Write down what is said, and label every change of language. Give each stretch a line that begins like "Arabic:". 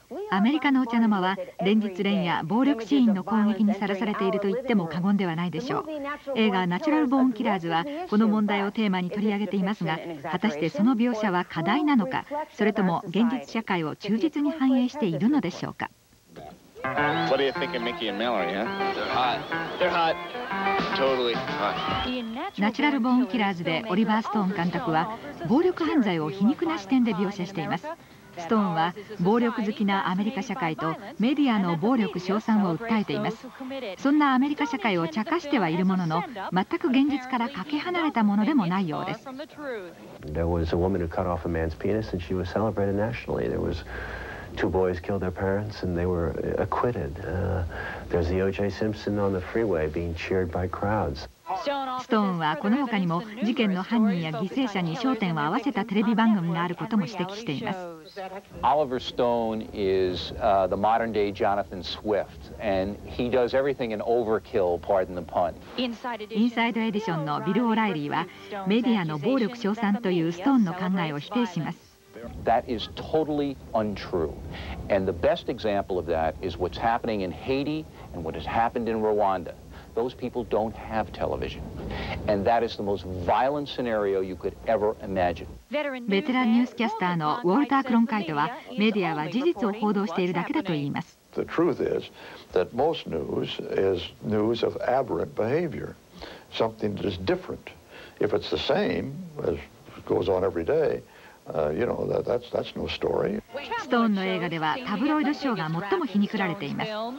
Japanese: アメリカのお茶の間は連日連夜暴力シーンの攻撃にさらされていると言っても過言ではないでしょう。映画ナチュラルボーンキラーズはこの問題をテーマに取り上げていますが、果たしてその描写は過大なのか、それとも現実社会を忠実に反映しているのでしょうか。
English: What are you thinking, Mickey and Mallory, huh? They're hot. They're hot. Totally hot.
Japanese: ナチュラルボーンキラーズでオリバーストーン監督は暴力犯罪を皮肉な視点で描写しています。ストーンは暴力好きなアメリカ社会とメディアの暴力称賛を訴えています。そんなアメリカ社会を茶化してはいるものの、全く現実からかけ離れたものでもないようです。
English: There was a woman who cut off a man's penis and she was celebrated nationally. There was two boys killed their parents and they were acquitted. There's the O.J. Simpson on the freeway being cheered by crowds.
Japanese: ストーンはこの他にも事件の犯人や犠牲者に焦点を合わせたテレビ番組があることも指摘しています。
English: オリバー・ストーンは、モダンデイ・ジョナサン・スウィフト、and he does everything in overkill, pardon the pun.
Japanese: インサイドエディションのビル・オライリーはメディアの暴力称賛というストーンの考えを否定します。
English: That is totally untrue. And the best example of that is what's happening in Haiti and what has happened in Rwanda. Those people don't have television. And that is the most violent scenario you could ever imagine.
Japanese: ベテランニュースキャスターのウォルター・クロンカイトは、メディアは事実を報道しているだけだと言います。
English: The truth is that most news is news of aberrant behavior, something that is different. If it's the same as goes on every day,
Japanese: ストーンの映画ではタブロイドショーが最も皮肉られています。